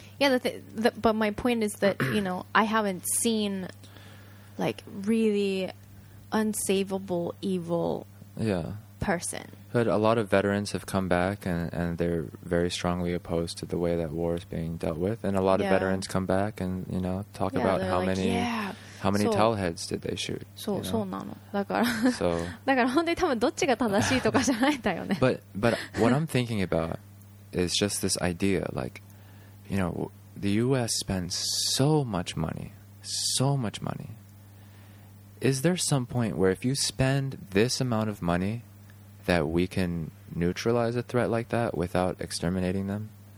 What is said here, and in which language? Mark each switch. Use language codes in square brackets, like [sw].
[en] Yeah, but my point is that, you know, I haven't seen like really unsavable evil person. But a lot of veterans have come back and they're very strongly opposed to the way that war is being dealt with. And a lot of veterans come back and, you know, talk about how many... How many towel heads did they shoot? So, you know? [ja] だから本当に多分どっちが正しいとかじゃないんだよね。 [en] But what I'm thinking about is just this idea, like, you know, the U.S. spends so much money. Is there some point where if you spend this amount of money that we can neutralize a threat like that without exterminating them?